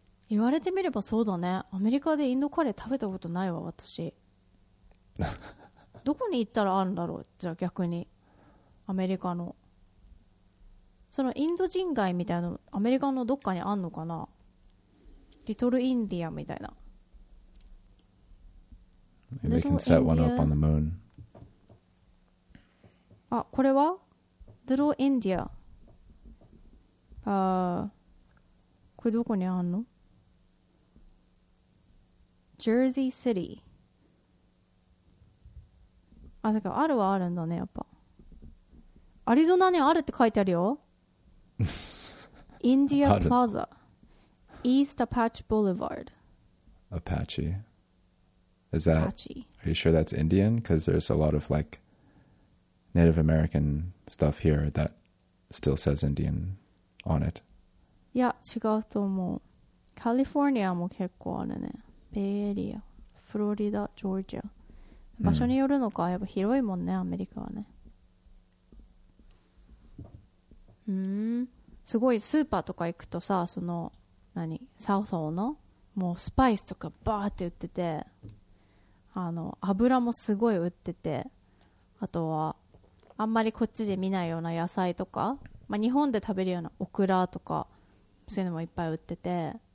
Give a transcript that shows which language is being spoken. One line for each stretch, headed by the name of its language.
Japanese: 言われてみればそうだね。アメリカでインドカレー食べたことないわ私。どこに行ったらあるんだろう。じゃあ逆にアメリカのそのインド人街みたいなアメリカのどっかにあんのかな。リトルインディアみたいな。
English: They can set one up on the moon.
Japanese: あこれはリトルインディア。これどこにあんの。ジャージーシティ。あ、だからあるはあるんだね、やっぱ。アリゾナにあるって書いてあるよ。インディアプラザ。イーストアパッチボルバード。
English: アパッチ。Is that, are you sure that's Indian? Because there's a lot of like Native American stuff here that still says Indian on it.
Japanese: いや、違うと思う。カリフォルニアも結構あるね。ベイエリア、フロリダ、ジョージア。場所によるのか、やっぱ広いもんね、アメリカはね。すごいスーパーとか行くとさ、その、何、サウスの、もうスパイスとかバーって売ってて、あの、油もすごい売ってて、あとは、あんまりこっちで見ないような野菜とか、まあ、日本で食べるようなオクラとか、そういうのもいっぱい売ってて。